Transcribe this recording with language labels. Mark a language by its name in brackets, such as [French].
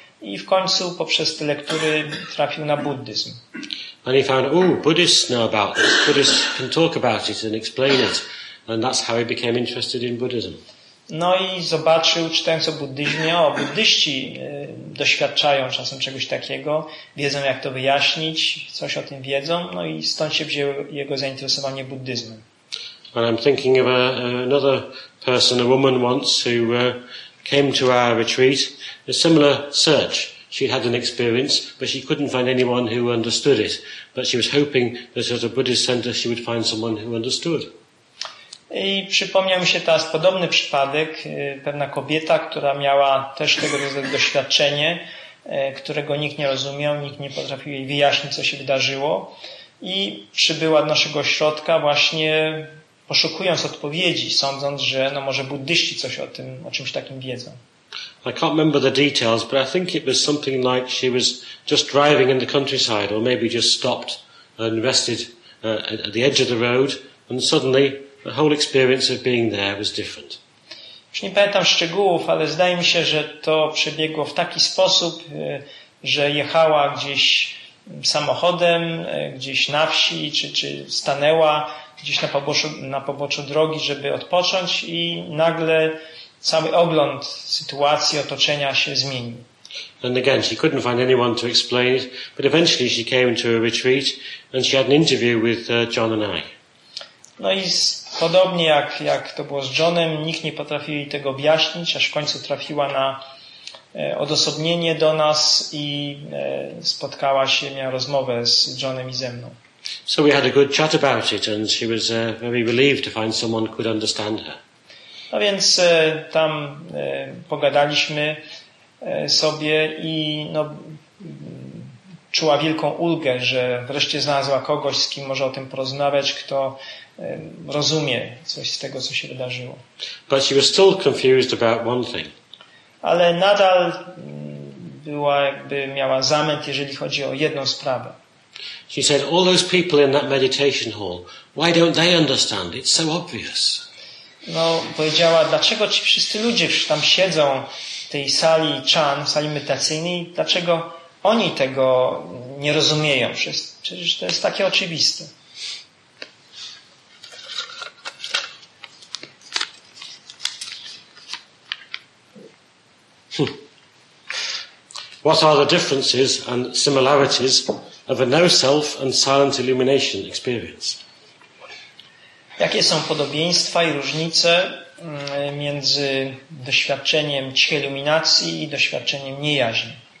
[Polish] I w końcu poprzez te lektury trafił na buddyzm. [English] And he found, oh, Buddhists know about this. Buddhists can talk about it and explain it. And that's how he became interested in Buddhism. [Polish] No i zobaczył, czytając o buddyzmie, buddyści doświadczają czasem czegoś takiego, wiedzą, jak to wyjaśnić, coś o tym wiedzą, no i stąd się wzięło jego zainteresowanie buddyzmem. [English] And I'm thinking of another person, a woman once, who came to our retreat, a similar search. She had an experience, but she couldn't find anyone who understood it. But she was hoping that at a Buddhist center she would find someone who understood. [Polish] I przypomniał mi się teraz podobny przypadek. Pewna kobieta, która miała też tego rodzaju doświadczenie, którego nikt nie rozumiał, nikt nie potrafił jej wyjaśnić, co się wydarzyło. I przybyła do naszego ośrodka właśnie poszukując odpowiedzi, sądząc, że no może buddyści coś o tym, o czymś takim wiedzą. [English] I can't remember the details, but I think it was something like she was just driving in the countryside, or maybe just stopped and rested at the edge of the road, and suddenly the whole experience of being there was different. [Polish] Już nie pamiętam szczegółów, ale zdaje mi się, że to przebiegło w taki sposób, że jechała gdzieś samochodem, gdzieś na wsi, czy stanęła gdzieś na poboczu drogi, żeby odpocząć, i nagle cały ogląd sytuacji, otoczenia się zmienił. [English] And again, she couldn't find anyone to explain it, but eventually she came to a retreat and she had an interview with John and I. [Polish] No i podobnie jak to było z Johnem, nikt nie potrafił jej tego objaśnić, aż w końcu trafiła na odosobnienie do nas i spotkała się, miała rozmowę z Johnem i ze mną. [English] So we had a good chat about it and she was very relieved to find someone who could understand her. [Polish] No więc tam pogadaliśmy sobie i no, czuła wielką ulgę, że wreszcie znalazła kogoś, z kim może o tym porozmawiać, kto rozumie coś z tego, co się wydarzyło. [English] But she was still confused about one thing. [Polish] Ale nadal była, jakby miała zamęt, jeżeli chodzi o jedną sprawę. [English] She said, all those people in that meditation hall, why don't they understand? It's so obvious. [Polish] No, powiedziała, dlaczego ci wszyscy ludzie, którzy tam siedzą w tej sali Chan, w sali medytacyjnej, dlaczego oni tego nie rozumieją. Przecież to jest takie oczywiste. [English] What are the differences and similarities of a no-self and silent illumination experience? [Polish] Jakie są podobieństwa i różnice między doświadczeniem cichej iluminacji i doświadczeniem niejaźni?